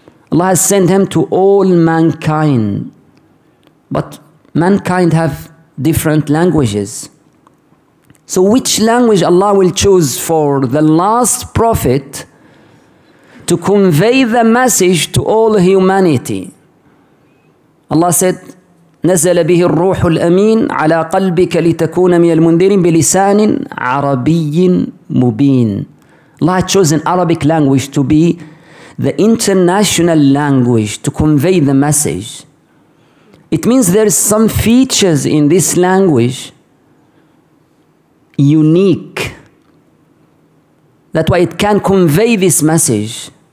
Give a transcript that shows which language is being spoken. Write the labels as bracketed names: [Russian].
[English] Allah has sent him to all mankind, but mankind have different languages. So which language Allah will choose for the last prophet to convey the message to all humanity? Allah said, [Arabic] نزل به الروح الأمين على قلبك لتكون من المنذرين بلسان عربي مبين. [English] Allah has chosen Arabic language to be the international language to convey the message. It means there is some features in this language unique. That's why it can convey this message.